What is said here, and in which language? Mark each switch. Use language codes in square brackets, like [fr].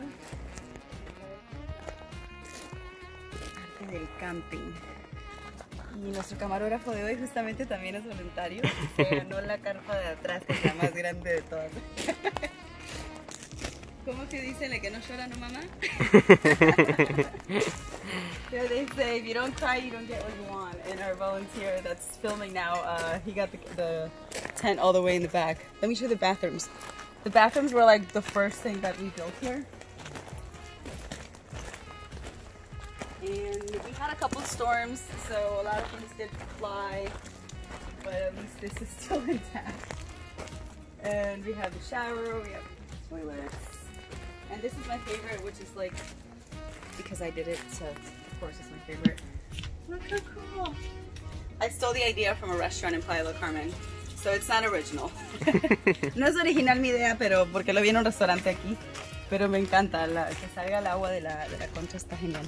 [es] Parte del camping. Y nuestro camarógrafo de hoy justamente también es voluntario. Se ganó la carpa de atrás, que es la más grande de todas. ¿Cómo se dice la que no llora, no mamá? [en] So they say, if you don't cry, you don't get what you want. And our volunteer that's filming now, he got the tent all the way in the back. Let me show the bathrooms. The bathrooms were like the first thing that we built here. And we had a couple storms, so a lot of things did fly. But at least this is still intact. And we have the shower, we have toilets. And this is my favorite, which is like, because I did it, so... Of course, it's my favorite. Look how cool. I stole the idea from a restaurant in Playa del Carmen, so it's not original. [es] No es original mi idea, pero porque lo vi en un restaurante aquí. Pero me encanta la, que salga el agua de la concha, está genial.